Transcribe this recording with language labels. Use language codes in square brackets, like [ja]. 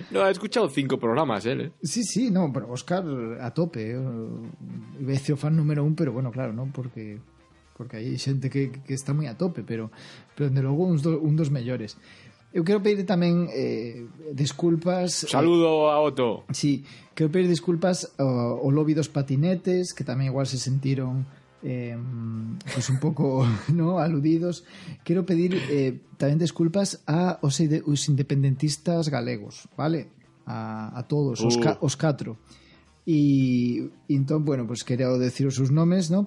[es] No, ha escuchado 5 programas, ¿eh? Sí, sí, no, pero Óscar a tope, veceo fan número 1, pero bueno, claro, ¿no? [gl] Porque hai xente que está moi a tope, pero de logo un dos mellores. Eu quero pedir tamén disculpas... [es] Saludo a Otto. [gl] Sí, quero pedir disculpas ao lobby dos patinetes, que tamén igual se sentiron pues un pouco ¿no? aludidos. Quero pedir tamén disculpas aos independentistas galegos, ¿vale? A todos, os catro. E entón, bueno, pues quero decir os seus nomes, ¿no?